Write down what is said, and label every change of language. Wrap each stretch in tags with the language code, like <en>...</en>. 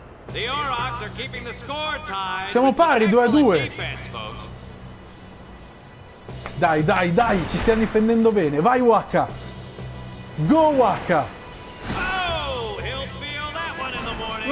<en>The Aurochs are keeping the score tied.</en> <it>Siamo pari, 2-2. Dai, dai, dai, ci stiamo difendendo bene. Vai, Waka!</it> <en>Go, Waka! Oh, he'll feel that one in the morning.</en>